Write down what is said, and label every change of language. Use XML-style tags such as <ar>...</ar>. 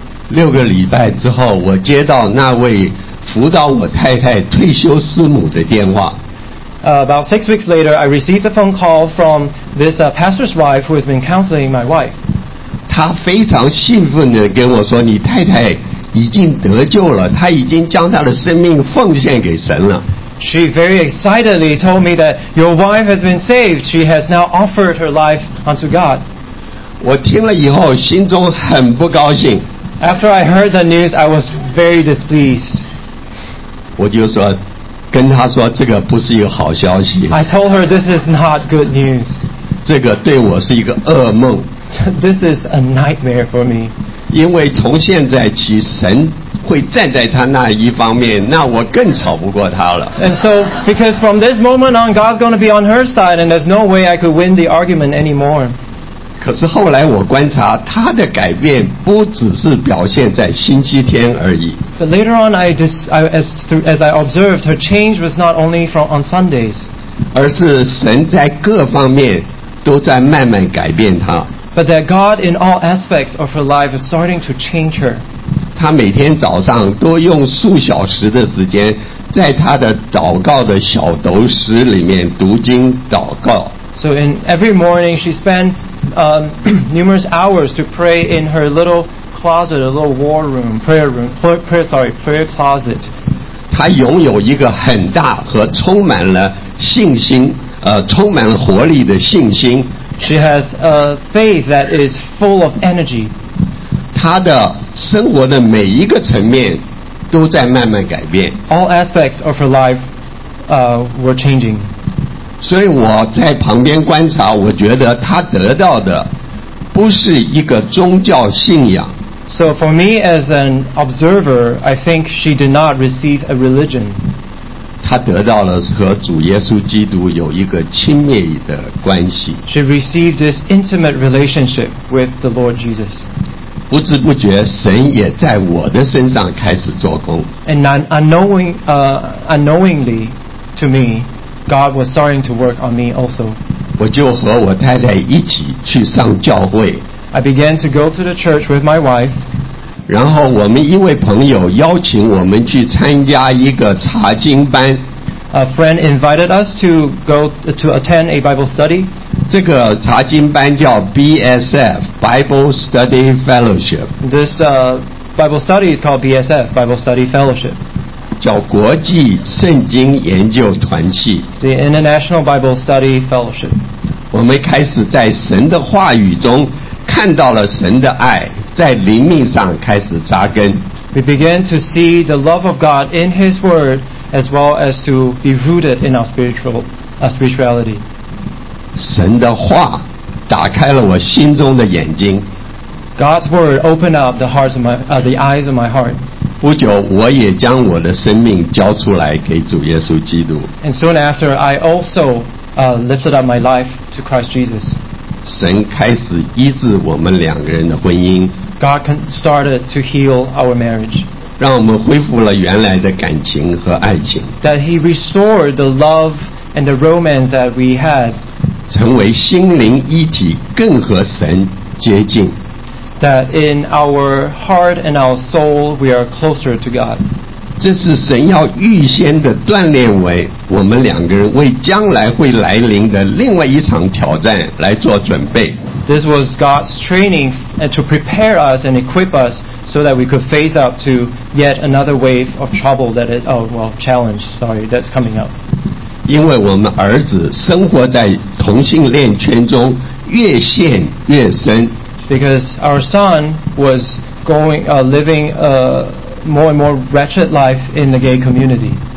<zh>六个礼拜之后，我接到那位辅导我太太退休师母的电话。</zh> <en>About 6 weeks later, I received a phone call from this pastor's wife who has been counseling my wife.</en> <zh>她非常兴奋地跟我说，你太太已经得救了，她已经将她的生命奉献给神了。</zh> <en>She very excitedly told me that your wife has been saved. She has now offered her life unto God.</en> <zh>我听了以后，心中很不高兴。</zh> <en>After I heard the news, I was very displeased.</en> <zh>我就说，跟她说这个不是一个好消息。</zh> <en>I told her this is not good news.</en> <zh>这个对我是一个噩梦。</zh> <en>This is a nightmare for me.</en> <zh>因为从现在起，神会站在她那一方面，那我更吵不过她了。</zh> <en>And so, because from this moment on, God's going to be on her side, and there's no way I could win the argument anymore.</en> <zh>可是后来我观察，她的改变不只是表现在星期天而已。</zh> <en>But later on, I observed, her change was not only from on Sundays.</en> <zh>而是神在各方面都在慢慢改变她。</zh> <en>But that God in all aspects of her life is starting to change her.</en> <zh>她每天早上都用数小时的时间，在她的祷告的小斗室里面读经祷告。</zh> <en>So in every morning, she spent numerous hours to pray in her little closet, a little war room, prayer room, prayer closet.</en> <zh>她拥有一个很大和充满了信心，充满活力的信心。</zh> <en>She has a faith that is full of energy.</en> <zh>她的生活的每一个层面都在慢慢改变。</zh> <en>All aspects of her life, were changing.</en> <zh>所以我在旁边观察，我觉得她得到的不是一个宗教信仰。</zh> <en>So for me as an observer, I think she did not receive a religion.</en> <zh>她得到了和主耶稣基督有一个亲密的关系。</zh> <en>She received this intimate relationship with the Lord Jesus.</en> <zh>不知不觉，神也在我的身上开始做工。</zh> <en>And unknowingly to me,God was starting to work on me also.</en> <zh>我就和我太太一起去上教会。</zh> <en>I began to go to the church with my wife.</en> <zh>然后我们一位朋友邀请我们去参加一个查经班。</zh> <en>A friend invited us to attend a Bible study.</en> <zh>这个查经班叫 BSF Bible Study Fellowship.</zh> <en>This Bible study is called BSF Bible Study Fellowship.</en> <zh>叫国际圣经研究团契。</zh> <en>The International Bible Study Fellowship.</en> <zh>我们开始在神的话语中看到了神的爱，在灵命上开始扎根。</zh> <en>We began to see the love of God in His Word, as well as to be rooted in our spirituality.</en> <zh>神的话打开了我心中的眼睛。</zh> <en>God's Word opened up the eyes of my heart.</en> <zh>不久，我也将我的生命交出来给主耶稣基督。</zh> <en>And soon after, I also lifted up my life to Christ Jesus.</en> <zh>神开始医治我们两个人的婚姻。</zh> <en>God started to heal our marriage.</en> <zh>让我们恢复了原来的感情和爱情。</zh> <en>That He restored the love and the romance that we had.</en> <zh>成为心灵一体，更和神接近。</zh> <en>That in our heart and our soul, we are closer to God.</en> <zh>这是神要预先的锻炼为我们两个人为将来会来临的另外一场挑战来做准备。</zh> <en>This was God's training to prepare us and equip us so that we could face up to yet another wave of trouble that is, oh, well, challenge, sorry, that's coming up.</en> <zh>因为我们儿子生活在同性恋圈中，越陷越深。</zh> <en>Because our son was going, living a more and more wretched life in the gay community.</en>